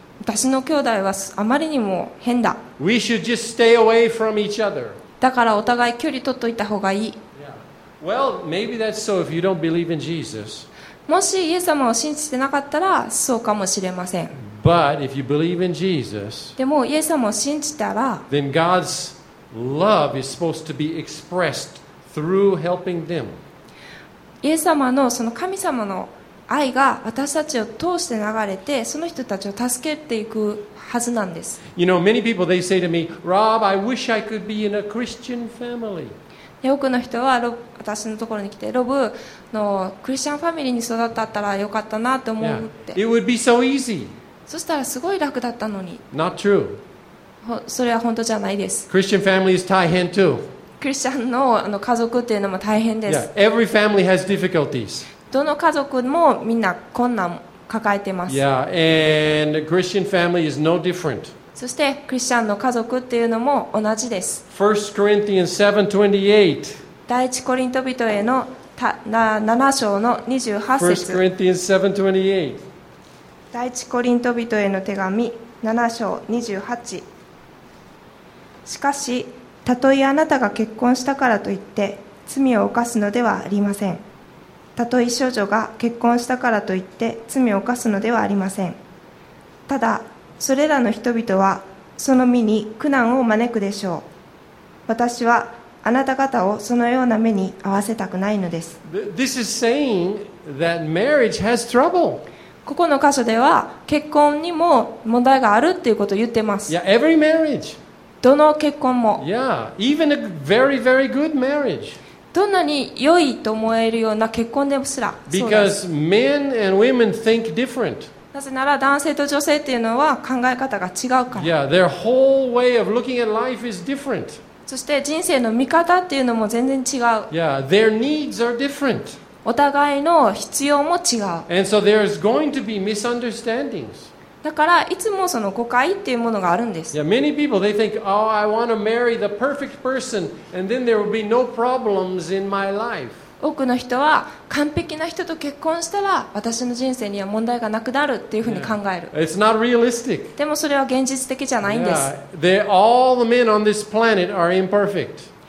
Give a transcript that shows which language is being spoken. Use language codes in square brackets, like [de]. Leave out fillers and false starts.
[ja] 私の兄弟はあまりにも変だ。 [en] We should just stay away from each other. [ja] だからお互い距離取っといた方がいい。 [en] Yeah. Well, maybe that's so if you don't believe in Jesus. [ja] もしイエス様を信じてなかったらそうかもしれません。 [en] But if you believe in Jesus, [ja] でもイエス様を信じたら、 [en] then God's love is supposed to be expressed through helping them. [ja] イエス様のその神様の愛が私たちを通して流れて、その人たちを助けていくはずなんです。 [en] You know, many people they say to me, Rob, I wish I could be in a Christian family. [ja] 多くの人は私のところに来て、ロブのクリスチャンファミリーに育ったらよかったなと思うって。 [en] Yeah. It would be so easy. [ja] そしたらすごい楽だったのに。 [en] Not true. [ja] それは本当じゃないです。 [en] Christian family is 大変 too. [ja] クリスチャンの、あの家族っていうのも大変です。 [en] Yeah, every family has difficulties. [ja] どの家族もみんな困難抱えてます。 [en] Yeah, and Christian family is no different. [ja] そしてクリスチャンの家族っていうのも同じです。 [en] 1 Corinthians 7:28 [ja] 第一コリント人への7章の28節 [en] 1 Corinthians 7:28 [ja] 第一コリント人への手紙7章28しかしたとえあなたが結婚したからといって罪を犯すのではありません。たとえ処女が結婚したからといって罪を犯すのではありません。ただそれらの人々はその身に苦難を招くでしょう。私はあなた方をそのような目に遭わせたくないのです。 [en] This is saying that marriage has trouble. [ja] ここの箇所では結婚にも問題があるっていうことを言ってます。 [en] Yeah, every marriage. [ja] どの結婚も。 [en] Yeah, even a very, very good marriage. [ja] どんなに良いと思えるような結婚でもすら。 [en] Because men and women think different. [ja] なぜなら男性と女性っていうのは考え方が違うから。 [en] Yeah, their whole way of looking at life is different. [ja] そして人生の見方っていうのも全然違う。 [en] Yeah, their needs are different. [ja] お互いの必要も違う。 [en] And so there's going to be misunderstandings. [ja] だからいつもその誤解っていうものがあるんです。 [en] Yeah, many people they think, oh, I want to marry the perfect person, and then there will be no problems in my life. [ja] 多くの人は完璧な人と結婚したら私の人生には問題がなくなるっていうふうに考える。 [en] Yeah. It's not realistic. [ja] でもそれは現実的じゃないんです。 Yeah. All the men on this planet are imperfect.